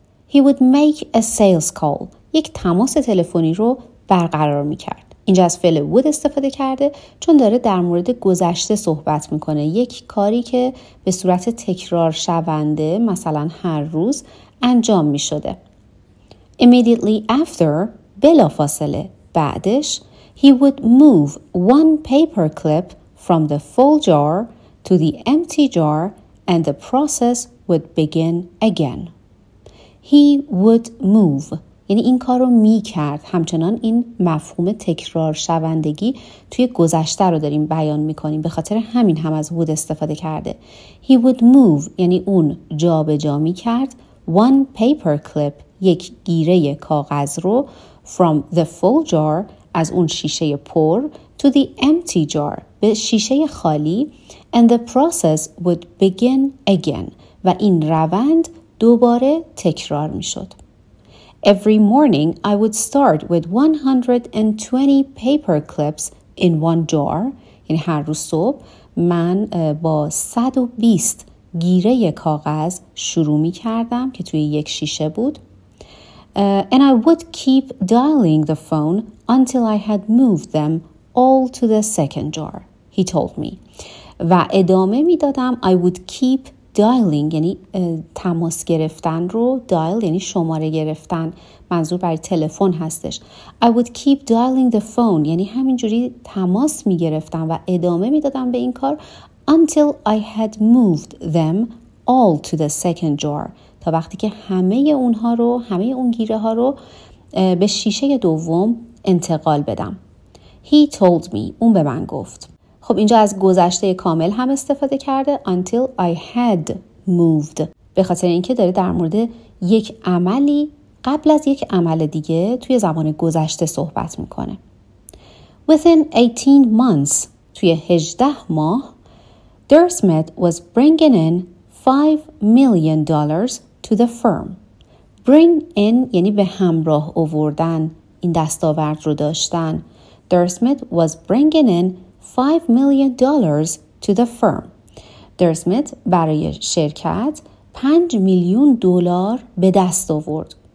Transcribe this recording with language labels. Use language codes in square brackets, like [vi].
[en] He would make a sales call. [fa] یک تماس تلفنی رو برقرار می کرد. اینجا از فعل would استفاده کرده چون داره در مورد گذشته صحبت میکنه. یک کاری که به صورت تکرار شونده مثلا هر روز انجام میشده. [en] Immediately after, [fa] بلافاصله بعدش, [en] he would move one paper clip from the full jar to the empty jar and the process would begin again. He would move. [fa] یعنی این کار رو می کرد. همچنان این مفهوم تکرار شوندگی توی گذشته رو داریم بیان می کنیم. به خاطر همین هم از would استفاده کرده. [en] He would move [fa] یعنی اون جا به جا می کرد. [en] One paper clip [fa] یک گیره کاغذ رو [en] from the full jar [fa] از اون شیشه پر [en] to the empty jar [fa] به شیشه خالی [en] and the process would begin again [fa] و این روند دوباره تکرار می شد. [en] Every morning I would start with 120 paper clips in one jar. [fa] یعنی هر روز صبح من با 120 گیره کاغذ شروع می کردم که توی یک شیشه بود. [en] And I would keep dialing the phone until I had moved them all to the second jar. He told me. [fa] و ادامه می دادم. [en] I would keep dialing [fa] یعنی تماس گرفتن رو. Dial یعنی شماره گرفتن. منظور برای تلفن هستش. [en] I would keep dialing the phone [fa] یعنی همینجوری تماس می گرفتم و ادامه می دادم به این کار. [en] Until I had moved them all to the second jar. [fa] تا وقتی که همه اونها رو، همه اون گیره ها رو به شیشه دوم انتقال بدم. [en] He told me. [fa] اون به من گفت. خب اینجا از گذشته کامل هم استفاده کرده. [en] Until I had moved. [fa] به خاطر اینکه داره در مورد یک عملی قبل از یک عمل دیگه توی زمان گذشته صحبت میکنه. [en] Within 18 months. [fa] توی 18 ماه [en] Dersmith was bringing in $5 million to the firm. [fa] Bring in یعنی به همراه آوردن، این دستاورد رو داشتن. [en] Dersmith was bringing in $5 million to the firm. [fa] Dersmith برای شرکت $5 million به دست آورد.